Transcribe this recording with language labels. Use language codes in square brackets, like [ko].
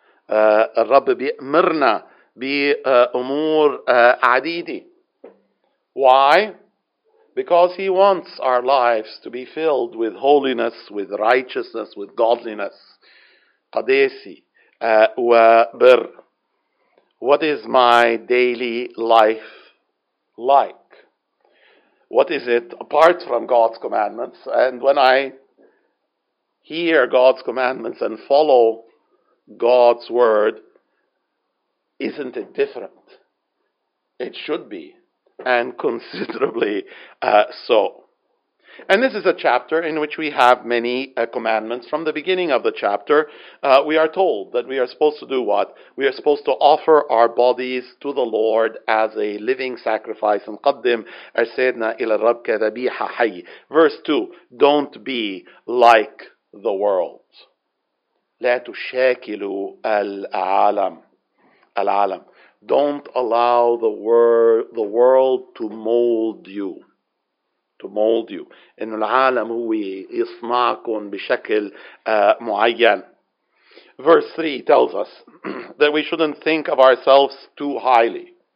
[ar] الرب بيأمرنا بأمور عديدة. [en] Why? Because he wants our lives to be filled with holiness, with righteousness, with godliness. [ar] قداسي وبر. [en] What is my daily life like? What is it apart from God's commandments? And when I hear God's commandments and follow God's word, isn't it different? It should be. And considerably so. And this is a chapter in which we have many commandments. From the beginning of the chapter, we are told that we are supposed to do what? We are supposed to offer our bodies to the Lord as a living sacrifice. [ar] نقدم أجسادنا إلى الرب كذبيحة حية. [en] Verse 2, don't be like the world. [ar] لا تشاكلوا العالم. [en] Don't allow the world to mold you. [ar] إن العالم هو يصنعكم بشكل معين. [en] Verse 3 tells us that we shouldn't think of ourselves too highly.